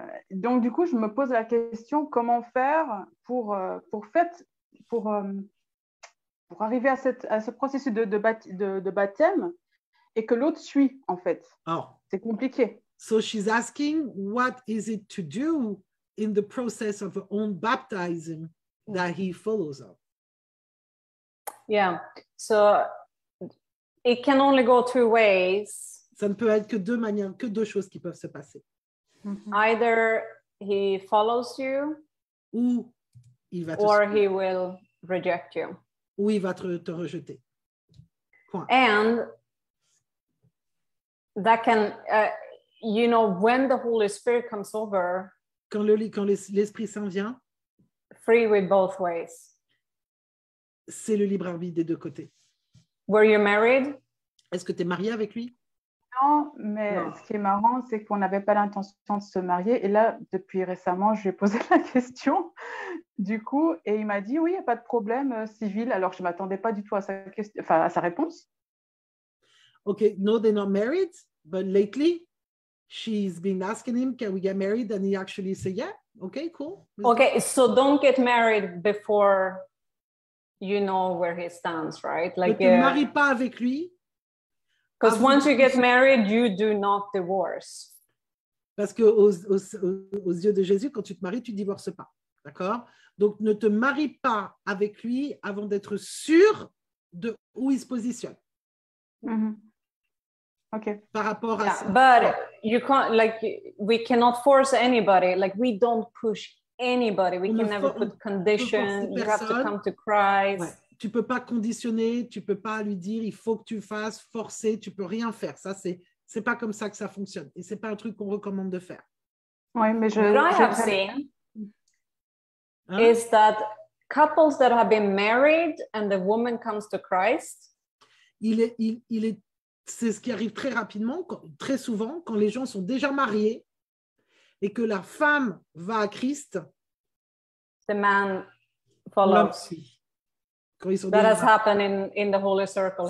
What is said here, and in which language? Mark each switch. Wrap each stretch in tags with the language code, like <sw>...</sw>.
<fr>Donc du coup, je me pose la question, comment faire pour arriver à ce processus de baptême et que l'autre suit en fait. Oh. C'est compliqué.</fr> <en>So she's asking, what is it to do in the process of her own baptism that he follows up? Yeah, so it can only go 2 ways.</en> <fr>Ça ne peut être que 2 manières, que 2 choses qui peuvent se passer.</fr> <en>Mm-hmm. Either he follows you,</en> <fr>ou il va te suivre,</fr> <en>or he will reject you.</en> <fr>Ou il va te rejeter. Point.</fr> <en>And that can, you know, when the Holy Spirit comes over,</en> <fr>quand l'Esprit Saint vient,</fr> <en>free with both ways.</en> <fr>C'est le libre arbitre des 2 côtés.</fr> <en>Were you married?</en> <fr>Est-ce que tu es mariée avec lui? Non, mais non. Ce qui est marrant, c'est qu'on n'avait pas l'intention de se marier. Et là, depuis récemment, je lui ai posé la question, du coup, et il m'a dit, oui, il n'y a pas de problème civil. Alors, je ne m'attendais pas du tout à sa réponse.</fr> <en>OK, no, they're not married, but lately, she's been asking him, can we get married? And he actually said, yeah, OK, cool. OK, so don't get married before... You know where he stands, right?</en> <fr>Like, ne te marie pas avec lui.</fr> <en>Because once you get married, you do not divorce.</en> <fr>Parce que aux yeux de Jésus, quand tu te maries, tu ne divorces pas. D'accord? Donc, ne te marie pas avec lui avant d'être sûr de où il se positionne. Mm-hmm. Okay. Par rapport à ça.</fr> <en>But you can't, like, we cannot force anybody. Like, we don't push anybody, we can never put conditions. You have to come to Christ. Ouais.</en> <fr>Tu peux pas conditionner, tu peux pas lui dire il faut que tu fasses, forcer, tu peux rien faire. Ça, c'est pas comme ça que ça fonctionne et c'est pas un truc qu'on recommande de faire. Oui, mais je.</fr> <en>What I have seen is that couples that have been married and the woman comes to Christ.</en> <fr>C'est ce qui arrive très rapidement, très souvent, quand les gens sont déjà mariés. Et que la femme va à Christ,</fr> <en>the man follows.</en> <fr>Quand ils sont</fr> <en>that has happened in the holy circle.</en>